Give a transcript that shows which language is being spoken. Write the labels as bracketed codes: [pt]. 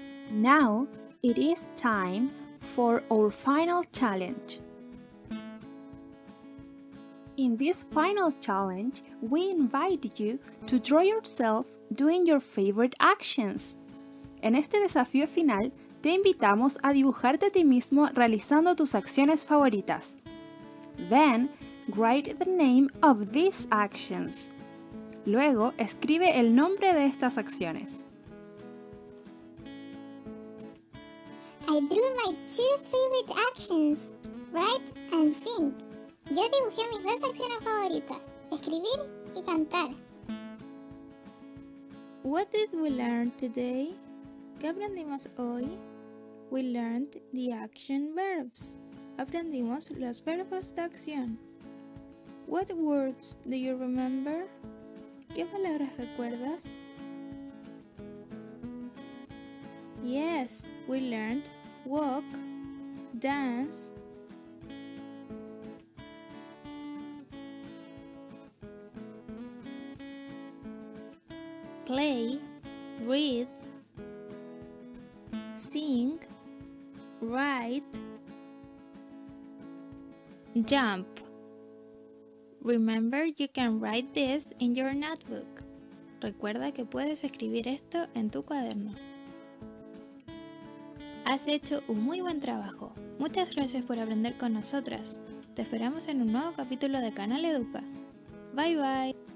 [en] Now it is time for our final challenge. In this final challenge, we invite you to draw yourself doing your favorite actions. [es] En este desafío final, te invitamos a dibujarte a ti mismo realizando tus acciones favoritas. [en] Then, write the name of these actions. [es] Luego, escribe el nombre de estas acciones. [en] I drew my two favorite actions, write and sing. [es] Yo dibujé mis dos acciones favoritas, escribir y cantar. [en] What did we learn today? [es] ¿Qué aprendimos hoy? [en] We learned the action verbs. [es] Aprendimos los verbos de acción. [en] What words do you remember? [es] ¿Qué palabras recuerdas? [en] Yes, we learned walk, dance, play, read, sing, write, jump. Remember, you can write this in your notebook. [es] Recuerda que puedes escribir esto en tu cuaderno. Has hecho un muy buen trabajo. Muchas gracias por aprender con nosotras. Te esperamos en un nuevo capítulo de Canal Educa. [en] Bye bye.